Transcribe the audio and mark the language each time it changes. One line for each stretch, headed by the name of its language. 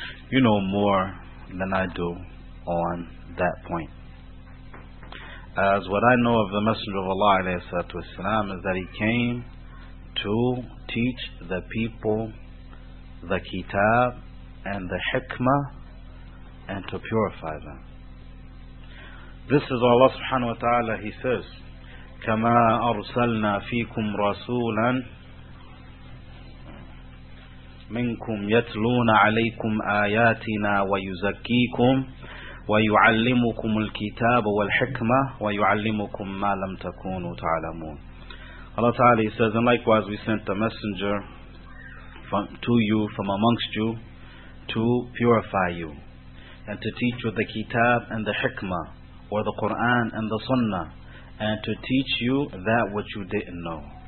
English: You know more than I do on that point. As what I know of the Messenger of Allah is that he came to teach the people the Kitab and the Hikmah and to purify them. This is what Allah subhanahu wa ta'ala, He says,
Arabic: كَمَا أَرْسَلْنَا فِيكُمْ رَسُولًا مِنْكُمْ يَتْلُونَ عَلَيْكُمْ آيَاتِنَا وَيُزَكِّيكُمْ وَيُعَلِّمُكُمُ الْكِتَابَ وَالْحِكْمَةَ وَيُعَلِّمُكُمْ مَا لَمْ تَكُونُوا تَعْلَمُونَ.
English: Allah Ta'ala, He says, and likewise we sent a messenger from amongst you to purify you and to teach you the Kitab and the Hikmah, or the Quran and the Sunnah, and to teach you that which you didn't know.